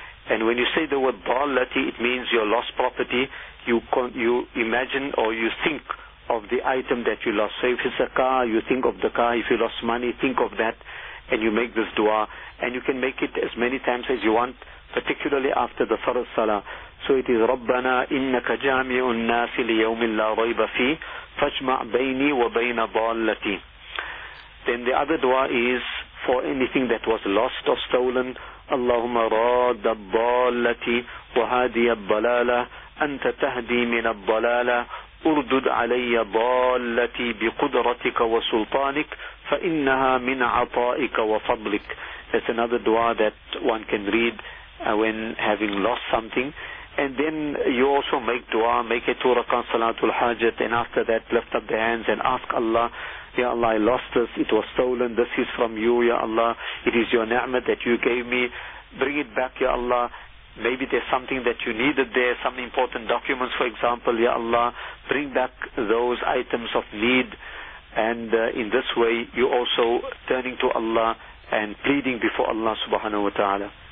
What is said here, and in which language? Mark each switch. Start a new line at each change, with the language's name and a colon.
English: And when you say the word ballati, it means your lost property. You imagine or you think of the item that you lost. So if it's a car, you think of the car. If you lost money, think of that, and you make this dua. And you can make it as many times as you want, particularly after the Fard Salah. So it is
Arabic: ربنا إنك جامع الناس ليوم لا ريب فيه فاجمع بيني وبين ضالتي.
English: Then the other dua is for anything that was lost or stolen.
Arabic: اللهم راد الضالتي وهادي الضلالة أنت تهدي من الضلالة أردد علي ضالتي بقدرتك وسلطانك فإنها من عطائك وفضلك.
English: That's another dua that one can read when having lost something. And then you also make dua, make a 2 rakat salatul hajat, and after that lift up the hands and ask Allah, Ya Allah, I lost this, it was stolen, this is from you, Ya Allah, it is your ni'mat that you gave me, bring it back, Ya Allah, maybe there's something that you needed there, some important documents, for example, Ya Allah, bring back those items of need, and in this way, you also turning to Allah and pleading before Allah subhanahu wa ta'ala.